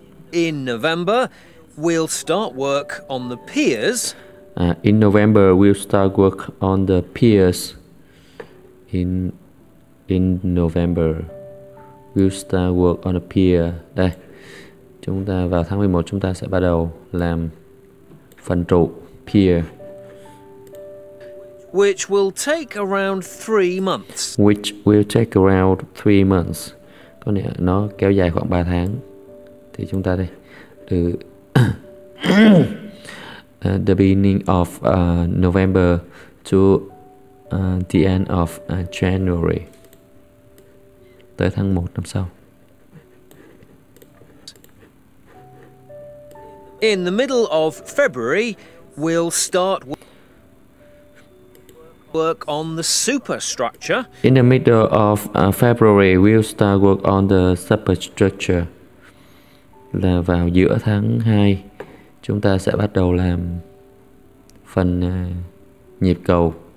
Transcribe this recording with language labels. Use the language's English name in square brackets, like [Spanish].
[English] In November, we'll start work on the piers. In November, we'll start work on the piers. In November, we'll start work on the pier. [Vietnamese] Đây, chúng ta vào tháng 11 chúng ta sẽ bắt đầu làm phần trụ pier. [English] Which will take around 3 months. Which will take around 3 months. [Vietnamese] Có nghĩa nó kéo dài khoảng 3 tháng. Thì chúng ta đây từ [English] the beginning of November to the end of January. [Vietnamese] Tới tháng 1 năm sau. [English] In the middle of February, we'll start work on the superstructure. In the middle of February, we'll start work on the superstructure. [Vietnamese] Là vào giữa tháng 2, chúng ta sẽ bắt đầu làm phần nhịp cầu.